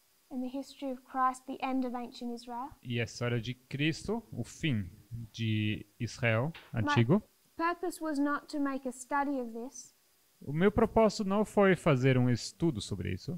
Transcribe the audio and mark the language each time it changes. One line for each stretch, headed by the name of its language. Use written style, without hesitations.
English: In the history of Christ, the end of ancient Israel.
Portuguese: E a história de Cristo, o fim de Israel antigo.
English: My purpose was not to make a study of this.
Portuguese: O meu propósito não foi fazer um estudo sobre isso.